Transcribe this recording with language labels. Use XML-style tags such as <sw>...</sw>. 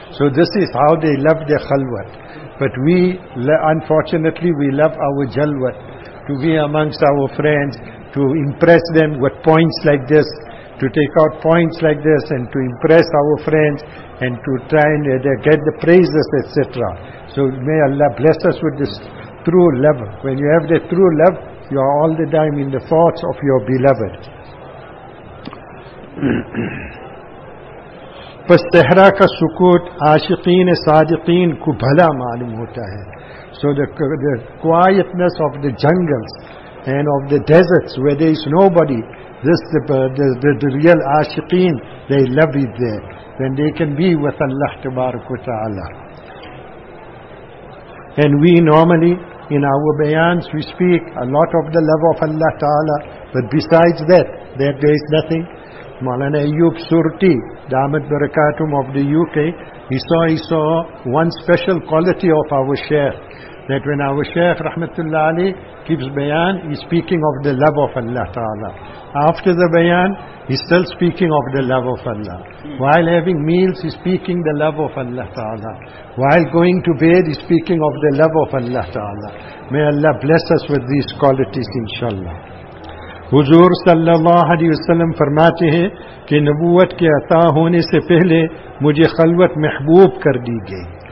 <en>So this is how they love their khalwat. But we, unfortunately, we love our jalwat, to be amongst our friends, to impress them with points like this, to take out points like this and to impress our friends and to try and get the praises, etc. So may Allah bless us with this true love. When you have the true love, you are all the time in the thoughts of your beloved.</en> <ur>پس صحرا کا سکوت عاشقین صادقین کو بھلا معلوم ہوتا ہے.</ur> <en>So the quietness of the jungles and of the deserts where there is nobody, this the real عاشقین, they love it there. Then they can be with Allah تبارک و تعالی. And we normally in our bayans we speak a lot of the love of Allah تعالی, but besides that there is nothing. Maulana Ayub Surti, Damat Barakatum of the UK, he saw one special quality of our Shaykh, that when our Shaykh Rahmatullah Ali keeps bayan, he's speaking of the love of Allah Ta'ala. After the bayan, he's still speaking of the love of Allah. While having meals, he's speaking the love of Allah Ta'ala. While going to bed, he's speaking of the love of Allah Ta'ala. May Allah bless us with these qualities, inshallah.</en> <ur>حضور صلی اللہ علیہ وسلم فرماتے ہیں کہ نبوت کے عطا ہونے سے پہلے مجھے خلوت محبوب کر دی گئی.</ur>